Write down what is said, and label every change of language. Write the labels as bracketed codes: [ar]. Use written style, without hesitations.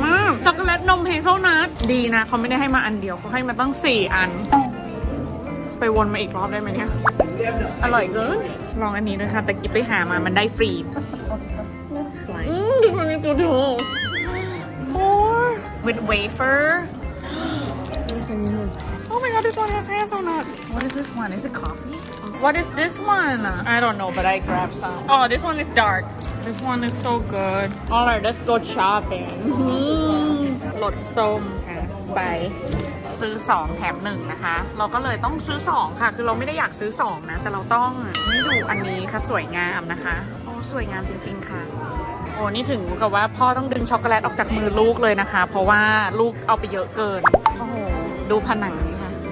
[th] มากช็อกโกแลตนมเฮเซลนัทดีนะเขาไม่ได้ให้มาอันเดียวเขาให้มาตั้ง4อันไปวนมาอีกรอบได้ไหมเนี่ยอร่อยเกินลองอันนี้ด้วยค่ะแต่กิ๊บไปหามามันได้ฟรีดูมันมีตัวเดียว [en] more with wafer oh my god this one has hazelnut what is this one is it coffee what is this one I don't know but I grabbed some oh this one is dark this one is so good all right let's go shopping [th] รสส้มไปซื้อ2แถม1นะคะเราก็เลยต้องซื้อ2ค่ะคือเราไม่ได้อยากซื้อ2นะแต่เราต้องนี่ดูอันนี้ค่ะสวยงามนะคะโอ้สวยงามจริงๆค่ะโอ้นี่ถึงกับว่าพ่อต้องดึงช็อกโกแลตออกจากมือลูกเลยนะคะเพราะว่าลูกเอาไปเยอะเกินโอ้โหดูผนังนี่ค่ะ